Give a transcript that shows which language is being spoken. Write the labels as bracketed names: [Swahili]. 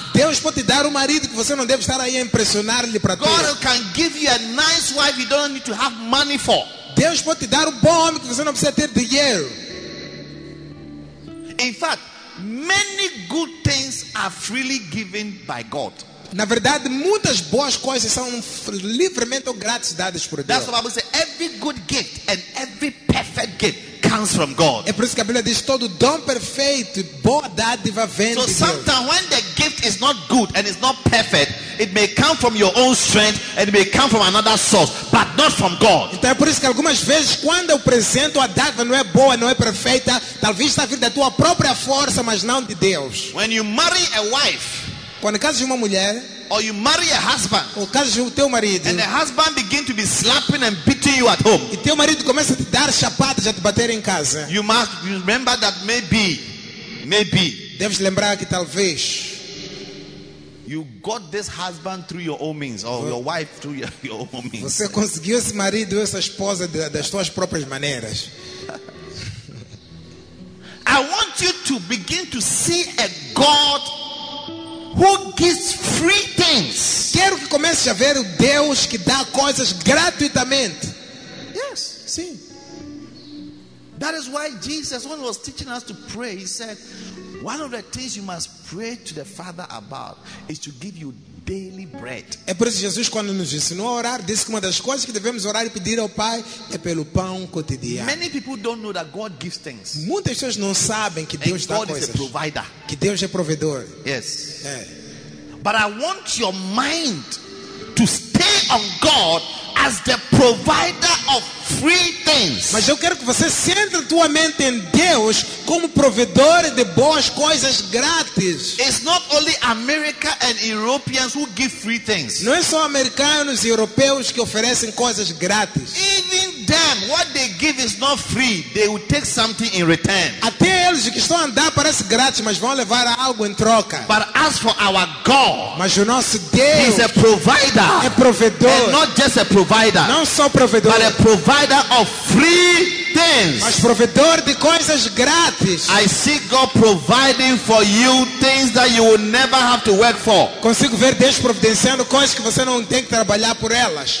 [Portuguese] Deus pode te dar marido que você não deve estar aí a impressionar ele para ter. [English] God can give you a nice wife you don't need to have money for. [Portuguese] Deus pode te dar bom homem que você não precisa ter dinheiro. [English] In fact, many good things are freely given by God. [Portuguese] Na verdade, muitas boas coisas são livremente ou grátis dadas por Deus. [English] That's what the Bible says. Every good gift and every perfect gift comes from God. [Portuguese] É por isso que a Bíblia diz todo dom perfeito, boa dádiva vem de Deus. [English] So sometimes when the gift is not good and it's not perfect, it may come from your own strength and it may come from another source, but not from God. [Portuguese] Então é por isso que algumas vezes quando eu apresento a dádiva não é boa, não é perfeita, talvez está vindo da tua própria força, mas não de Deus. [English] When you marry a wife, [Portuguese] quando casas uma mulher, [English] or you marry a husband, [Portuguese] ou casas o teu marido, [English] and the husband begin to be slapping and beating you at home, [Portuguese] e teu marido começa a te dar chapada, já te bater em casa, [English] you must remember that maybe, [Portuguese] deves lembrar que talvez, [English] you got this husband through your own means, or your wife through your own means, [Portuguese] você conseguiu esse marido, essa esposa das tuas próprias maneiras. [English] I want you to begin to see a God who gives free things. [Portuguese] Quero que comece a ver o Deus que dá coisas gratuitamente. [English] Yes. [Portuguese] Sim. [English] That is why Jesus, when he was teaching us to pray, he said, one of the things you must pray to the Father about is to give you daily bread. [Portuguese] É por isso que Jesus, quando nos ensinou a orar, disse que uma das coisas que devemos orar e pedir ao Pai é pelo pão cotidiano. [English] Many people don't know that God gives things. [Portuguese] Muitas pessoas não sabem que Deus dá coisas. [English] God is a provider. [Portuguese] Que Deus é provedor. [English] Yes. [Portuguese] É. [English] But I want your mind to stay on God as the provider of free things. [Portuguese] Mas eu quero que você centre tua mente em Deus como provedor de boas coisas grátis. [English] It's not only America and Europeans who give free things. [Portuguese] Não é só americanos e europeus que oferecem coisas grátis. [English] Even them, what they give is not free. They will take something in return. [Portuguese] Até eles que estão a andar parece grátis, mas vão levar algo em troca. [English] But as for our God, [Portuguese] mas o nosso Deus, [English] He is a provider. [Portuguese] É provedor. [English] And not just a provider. [Portuguese] Não só provedor, [English] but a provider of free things. [Portuguese] Mas provedor de coisas grátis. [English] I see God providing for you things that you will never have to work for. [Portuguese] Consigo ver Deus providenciando coisas que você não tem que trabalhar por elas.